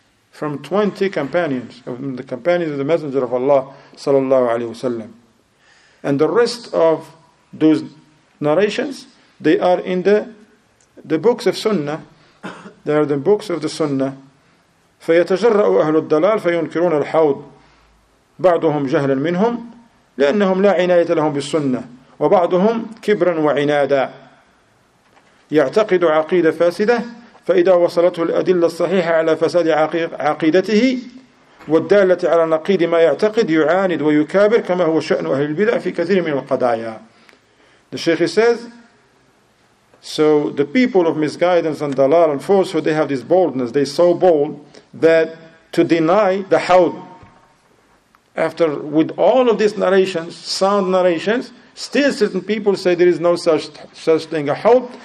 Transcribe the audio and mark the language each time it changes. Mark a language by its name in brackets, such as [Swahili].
[English] From 20 companions, of the companions of the Messenger of Allah, sallallahu alayhi wa sallam. And the rest of those narrations, they are in the books of Sunnah. They are the books of the Sunnah. [Arabic] فيتجرأ أهل الضلال فينكرون الحوض بعضهم جهلا منهم لأنهم لا عناية لهم بالسنة وبعضهم كبرا وعنادا يعتقد عقيدة فاسدة فإذا وصلته الأدلة الصحيحة على فساد عقيدته والدالة على نقيض ما يعتقد يعاند ويكابر كما هو شأن أهل البدع في كثير من القضايا. [English] The Sheikh says, so the people of misguidance and dalal and falsehood, they have this boldness, they're so bold that to deny the haud. After, with all of these narrations, sound narrations, still certain people say there is no such thing as haud.